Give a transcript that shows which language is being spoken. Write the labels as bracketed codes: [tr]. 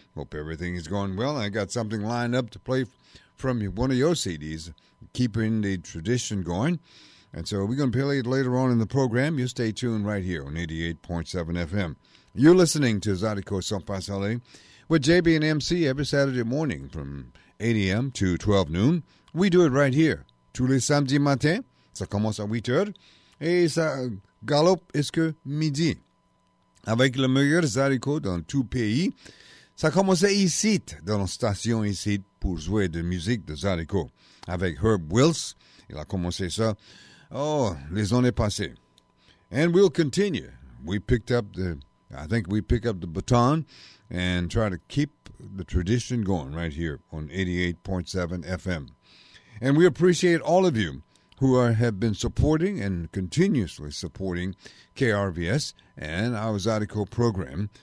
[en] Hope everything is going well. I got something lined up to play from one of your CDs, Keeping the Tradition Going. And so we're going to play it later on in the program. You stay tuned right here on 88.7 FM. You're listening to Zydeco Sunfast LA with JB and MC every Saturday morning from 8 a.m. to 12 noon. We do it right here. [fr] Tous les samedis matin, ça commence à 8 heures. Et ça galope jusqu'à midi. Avec le meilleur Zydeco dans tout pays. Ça commence ici, dans la station ici, pour jouer de musique de Zydeco. Avec Herb Wills, il a commencé ça. Oh, les années passées. [en] And we'll continue. I think we picked up the baton and try to keep the tradition going right here on 88.7 FM. And we appreciate all of you who have been supporting and continuously supporting KRVS and our Zydeco program.